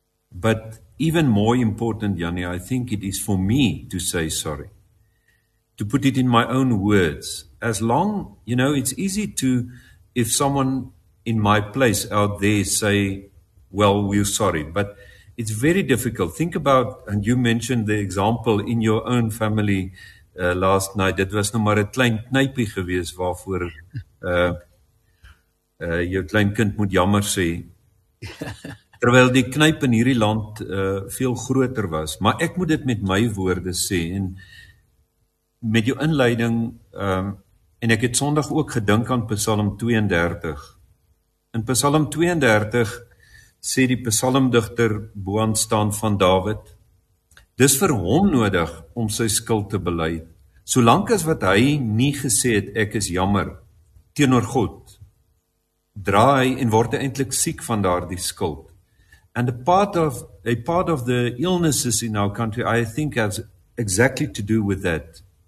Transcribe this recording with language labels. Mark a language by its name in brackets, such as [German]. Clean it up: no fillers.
[English] But even more important, Jannie, I think it is for me to say sorry, to put it in my own words. As long, you know, it's easy to, if someone in my place out there say, well, we're sorry, but it's very difficult. Think about, and you mentioned the example in your own family last night. [Afrikaans] Dit was nou maar 'n klein knypie gewees waarvoor jou klein kind moet jammer sê. Terwyl die knyp in hierdie land veel groter was. Maar ek moet dit met my woorde sê. En met jou inleiding, en ek het sondag ook gedink aan Psalm 32. In Psalm 32 sê die psalmdigter boan staan van David, dis vir hom nodig om sy skuld te bely, solank as wat hy nie gesê het, ek is jammer, teenoor God, draai en word hy eintlik siek van daardie skuld. [English] And a part of the illnesses in our country, I think, has exactly to do with that.